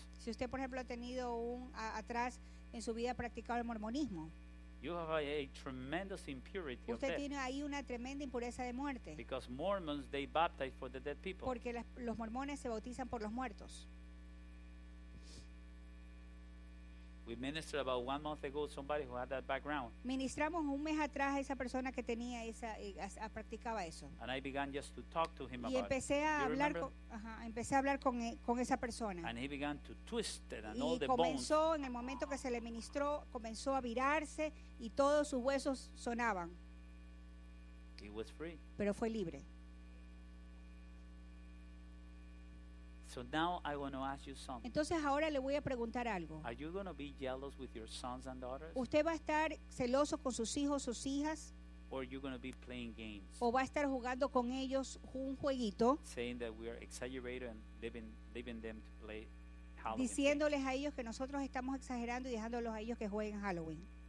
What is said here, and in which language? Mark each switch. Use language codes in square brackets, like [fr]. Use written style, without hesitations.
[es] Si usted por ejemplo ha tenido un atrás en su vida practicado el mormonismo. [en] You have a tremendous impurity. [es] Usted [en] of [es] tiene ahí una tremenda impureza de muerte. [en] Because Mormons they baptize for the dead people. [es] Porque los mormones se bautizan por los muertos. [en] We ministered about 1 month ago somebody who had that background. [es] Ministramos un mes atrás a esa persona que tenía practicaba eso. [en] And I began just to talk to him [es] y [en] about it. [es] Y empecé a hablar con esa persona. [en] And he began to twist it and [es] y [en] all the bones. [es] Y comenzó en el momento que se le ministró, comenzó a virarse y todos sus huesos sonaban. [en] He was free. [es] Pero fue libre. [en] So now I want to ask you something. [es] Entonces ahora le voy a preguntar algo. [en] Are you going to be jealous with your sons and daughters? [es] ¿Usted va a estar celoso con sus hijos, sus hijas? [en] Or are you going to be playing games? [es] ¿O va a estar jugando con ellos un jueguito? [en] Saying that we are exaggerating and leaving them to play Halloween. [es] Diciéndoles a ellos que nosotros estamos exagerando y dejándolos a ellos que jueguen Halloween.